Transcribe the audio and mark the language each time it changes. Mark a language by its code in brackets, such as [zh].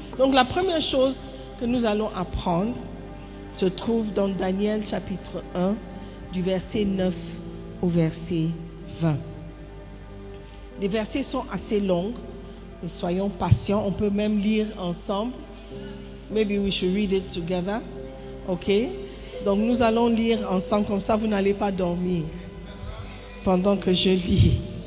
[fr] Donc la première chose que nous allons apprendre se trouve dans Daniel chapitre 1, du verset 9 au verset 20. Les versets sont assez longs. Soyons patients, on peut même lire ensemble. [en] Maybe we should read it together. Ok? [fr] Donc nous allons lire ensemble, comme ça vous n'allez pas dormir pendant que je lis.